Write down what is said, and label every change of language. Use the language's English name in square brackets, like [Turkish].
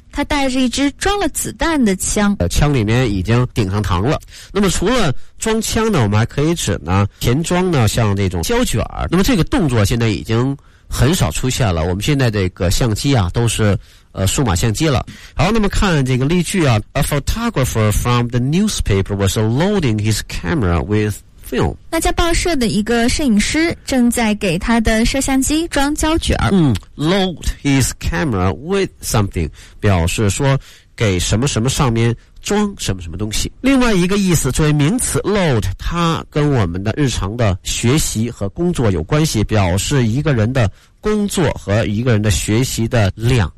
[Chinese] 他带着一支装了子弹的枪。枪里面已经顶上膛了。那么除了装枪呢，我们还可以指呢填装呢，像这种胶卷。那么这个动作现在已经很少出现了，我们现在这个相机啊都是数码相机了。好，那么看这个例句啊， [English] A photographer from the newspaper was loading his camera with film。 [Chinese] 那家报社的一个摄影师正在给他的摄像机装胶卷。 [English] Load his camera with something [Chinese] 表示说给什么什么上面装什么什么东西。另外一个意思，作为名词 load， 它跟我们的日常的学习和工作有关系，表示一个人的工作和一个人的学习的量。